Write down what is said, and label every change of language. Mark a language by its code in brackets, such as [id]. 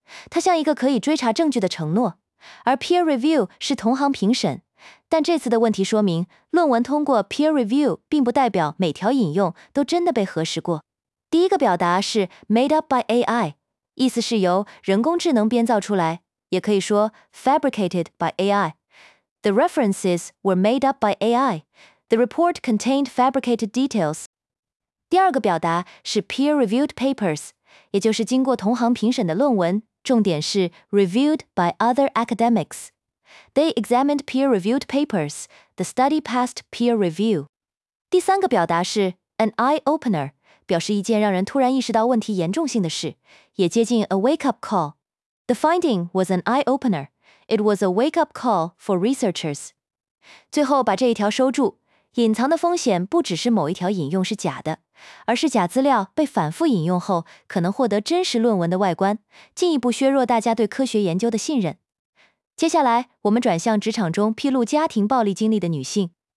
[zh] 它像一个可以追查证据的承诺，而 peer review 是同行评审。但这次的问题说明，论文通过 peer review 并不代表每条引用都真的被核实过。第一个表达是 [en] made up by AI， [zh] 意思是由人工智能编造出来，也可以说 [en] fabricated by AI。 The references were made up by AI. The report contained fabricated details. [zh] 第二个表达是 [en] peer reviewed papers， [zh] 也就是经过同行评审的论文，重点是 [en] reviewed by other academics。 They examined peer-reviewed papers. The study passed peer review. [zh] 第三个表达是 [en] an eye-opener， [zh] 表示一件让人突然意识到问题严重性的事，也接近 [en] a wake-up call. The finding was an eye-opener. It was a wake-up call for researchers. [zh] 最后把这一条收住，隐藏的风险不只是某一条引用是假的，而是假资料被反复引用后可能获得真实论文的外观，进一步削弱大家对科学研究的信任。接下来，我们转向职场中披露家庭暴力经历的女性。